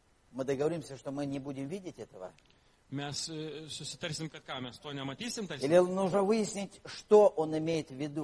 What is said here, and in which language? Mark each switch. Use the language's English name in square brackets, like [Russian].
[Russian] Мы договоримся, что мы не будем видеть этого. [Lithuanian] Mes susitarsim, kad ką, mes to nematysim. Tarsim. [Russian] Или нужно выяснить, что он имеет в виду.